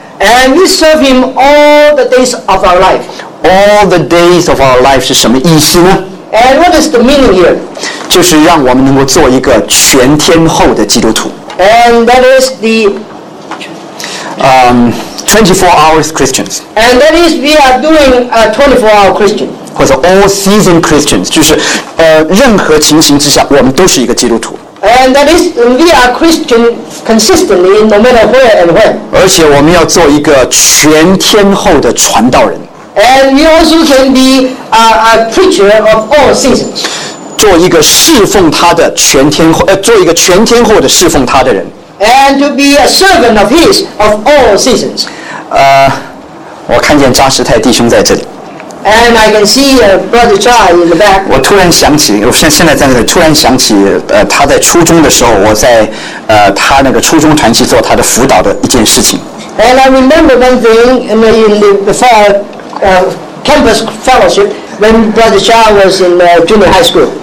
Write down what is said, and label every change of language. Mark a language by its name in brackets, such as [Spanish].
[English] And we serve him all the days of our life. All the days of our life [Chinese] 是什么意思呢 [English] ？And what is the meaning here? [Chinese] 就是让我们能够做一个全天候的基督徒。 [English] And that is the 24 hours Christians. And that is we are doing a 24-hour Christian. [Chinese] 或者 [English] all season Christians， [Chinese] 就是任何情形之下，我们都是一个基督徒。 [English] And that is we are Christian consistently, no matter where and when. [Chinese] 而且我们要做一个全天候的传道人。 [English] And we also can be a preacher of all seasons. [Chinese] 做一个侍奉他的全天候，做一个全天候的侍奉他的人。 [English] And to be a servant of his of all seasons. [Chinese] 我看见扎实泰弟兄在这里。 [English] And I can see Brother Chai in the back. [Chinese] 我突然想起，我现在在那里，突然想起，他在初中的时候，我在他那个初中团契做他的辅导的一件事情。 [English] And I remember one thing in the before campus fellowship when Brother Chai was in junior high school.